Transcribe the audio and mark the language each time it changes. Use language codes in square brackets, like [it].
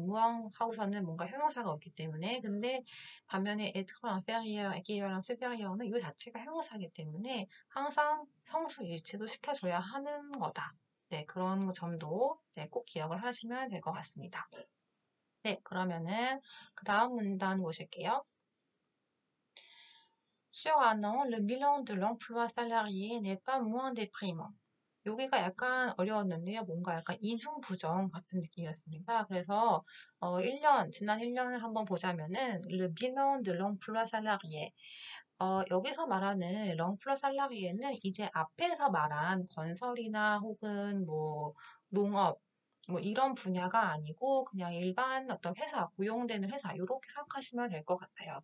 [ko] moins 하고서는 뭔가 형용사가 없기 때문에. 근데, 반면에, [fr] être inférieur, équivalent, supérieur [ko] 는 이 자체가 형용사이기 때문에 항상 성수일치도 시켜줘야 하는 거다. 네, 그런 점도 네, 꼭 기억을 하시면 될것 같습니다. 네, 그러면은, 그 다음 문단 보실게요. [fr] Sur un an, le bilan de l'emploi salarié n'est pas moins déprimant. [ko] 여기가 약간 어려웠는데요. 뭔가 약간 이중부정 같은 느낌이었습니다. 그래서 지난 1년을 한번 보자면은 [fr] le bilan de l'emploi salarié. [ko] 여기서 말하는 l'emploi salarié는 이제 앞에서 말한 건설이나 혹은 뭐 농업 뭐 이런 분야가 아니고 그냥 일반 어떤 회사 고용되는 회사 이렇게 생각하시면 될것 같아요.